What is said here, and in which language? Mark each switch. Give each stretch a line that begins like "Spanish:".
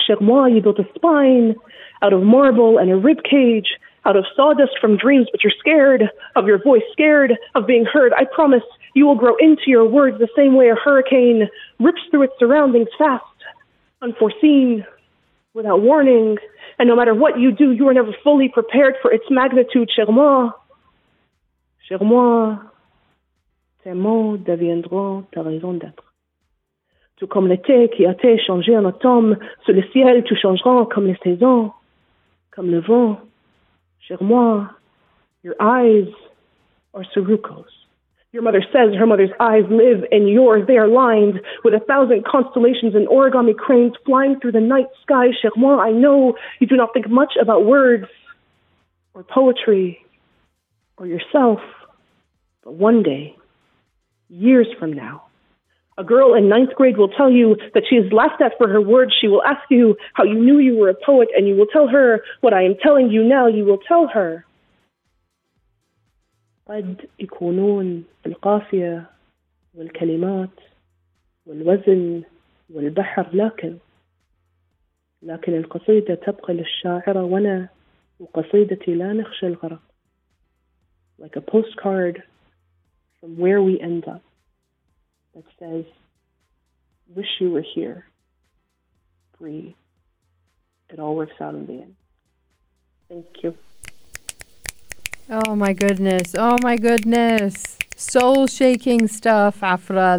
French: Cher moi,
English: you built a spine out of marble and a rib cage, out of sawdust from dreams, but you're scared of your voice, scared of being heard. I promise you will grow into your words the same way a hurricane rips through its surroundings, fast, unforeseen, without warning. And no matter what you do, you are never fully prepared for its magnitude.
French: Cher moi, cher moi, tes mots deviendront ta raison d'être. Tout comme l'été qui a été changé en automne, sous le ciel tu changeras comme les saisons, comme le vent. Cher moi,
English: your eyes are seruco's. Your mother says her mother's eyes live in yours. They are lined with 1,000 constellations and origami cranes flying through the night sky.
French: Cher moi,
English: I know you do not think much about words or poetry or yourself. But one day, years from now, a girl in 9th grade will tell you that she is laughed at for her words. She will ask you how you knew you were a poet, and you will tell her what I am telling you now. You will tell her,
Arabic: قد يكونون القافية والكلمات والوزن والبحر لكن القصيدة تبقى للشاعرة وأنا وقصيدتي لا نخشى الغرق.
English: Like a postcard from where we end up that says, wish you were here, free. It all works out in the end. Thank you. Oh my goodness. Oh my goodness. Soul shaking stuff, Afra.